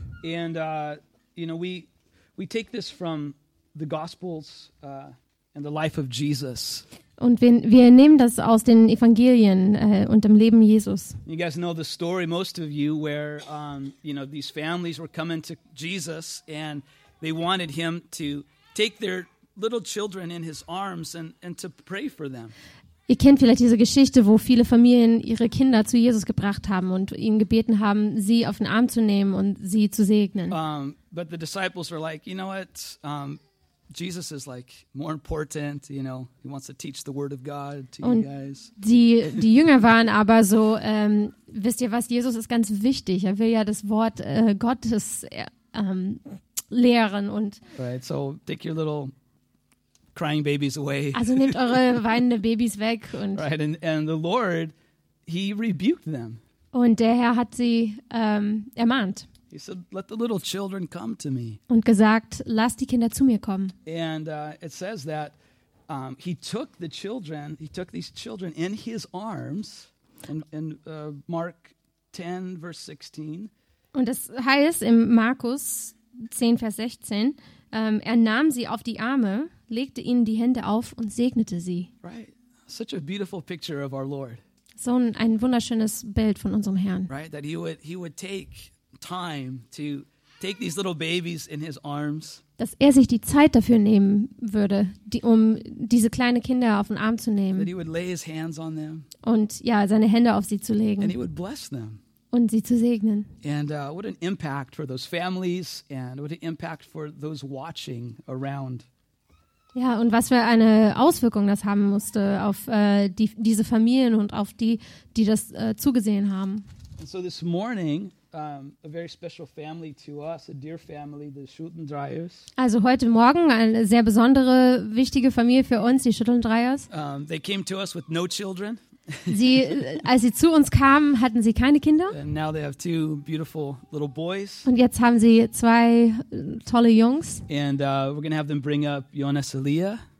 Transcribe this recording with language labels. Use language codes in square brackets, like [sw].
[en] And, you know, we take this from the Gospels and the life of Jesus. [de] Und wir nehmen das aus den Evangelien und dem Leben Jesus. [en] You guys know the story, most of you, where you know, these families were coming to Jesus and they wanted him to take their little children in his arms and to pray for them. [de] Ihr kennt vielleicht diese Geschichte, wo viele Familien ihre Kinder zu Jesus gebracht haben und ihn gebeten haben, sie auf den Arm zu nehmen und sie zu segnen. [en] But the disciples were like, you know what? Jesus is like more important, you know. He wants to teach the word of God to [de] und [en] you guys. [de] Die Jünger waren aber so, wisst ihr was, Jesus ist ganz wichtig. Er will ja das Wort Gottes lehren und [en] right, so take your little crying babies away. [de] Also nehmt eure weinende Babys weg und [en] right, and the Lord, he rebuked them. [de] Und der Herr hat sie ermahnt. [en] He said, "Let the little children come to me." [de] Und gesagt, lass die Kinder zu mir kommen. [en] And it says that he took the children, he took these children in his arms, in Mark 10, verse 16. [de] Und das heißt in Markus 10, Vers 16, er nahm sie auf die Arme, legte ihnen die Hände auf und segnete sie. [en] Right, such a beautiful picture of our Lord. [de] So ein wunderschönes Bild von unserem Herrn. [en] Right, that he would take time to take these little babies in his arms. [de] Dass er sich die Zeit dafür nehmen würde, um diese kleinen Kinder auf den Arm zu nehmen. [en] That he would lay his hands on them. [de] Und ja, seine Hände auf sie zu legen. [en] And he would bless them. [de] Und sie zu segnen. [en] And what an impact for those families and what an impact for those watching around. [de] Ja, und was für eine Auswirkung das haben musste auf diese Familien und auf die das zugesehen haben. [en] And so this morning, a very special family to us, a dear family, the Schuttendreiers. [de] Also heute Morgen eine sehr besondere, wichtige Familie für uns, die Schuttendreiers. [en] They came to us with no children. [de] Als sie zu uns kamen, hatten sie keine Kinder. [en] And now they have two beautiful little boys. [de] Und jetzt haben sie zwei tolle Jungs. [en] And we're gonna have them bring up Jonas Elia.